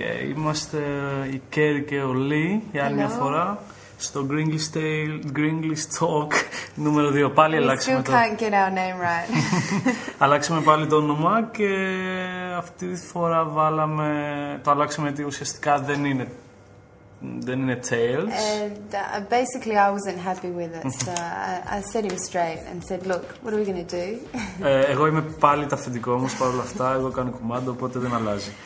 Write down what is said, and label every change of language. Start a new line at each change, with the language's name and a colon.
Greek: Είμαστε η Κέρι και ο Λί για άλλη μια φορά στο Gringlish Tale, Gringlish Talk νούμερο 2. Πάλι αλλάξαμε το
English: can't get our name right.
Greek: Αλλάξαμε πάλι το όνομα και αυτή τη φορά βάλαμε, το αλλάξαμε γιατί ουσιαστικά δεν είναι Tales.
English: And basically I wasn't happy with it, so I set him straight and said, look, what are we going to do?
Greek: Εγώ είμαι πάλι τα αφεντικό μου, παρόλα αυτά, εγώ κάνω κουμάντο, οπότε δεν αλλάζει.